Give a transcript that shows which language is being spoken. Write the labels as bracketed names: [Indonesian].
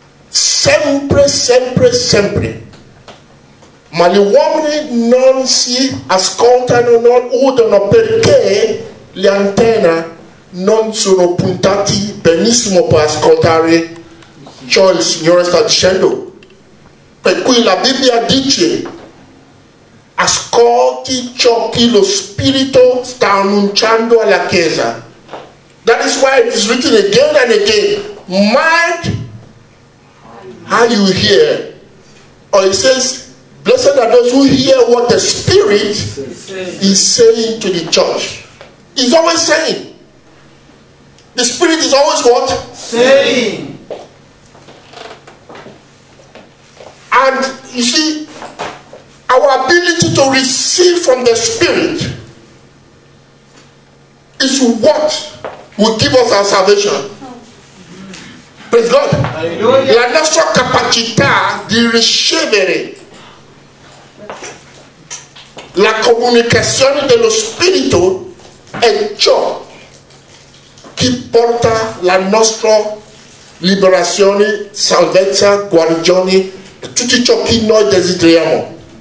[Italian] Sempre, sempre, sempre. Ma gli uomini non si ascoltano, non udono, perché le antenne non sono puntati benissimo per ascoltare ciò il Signore sta dicendo. Per cui la Bibbia dice: ascolti ciò che lo Spirito sta annunciando alla Chiesa. [English] That is why it is written again and again: mind how you hear. Or it says, blessed are those who hear what the Spirit is saying to the church. He's always saying. The Spirit is always what? Saying. And you see, our ability to receive from the Spirit is what will give us our salvation. Praise God. [Italian] La nostra capacità di ricevere la comunicazione dello Spirito è ciò che porta la nostra liberazione, salvezza, guarigione, tutto ciò che noi desideriamo.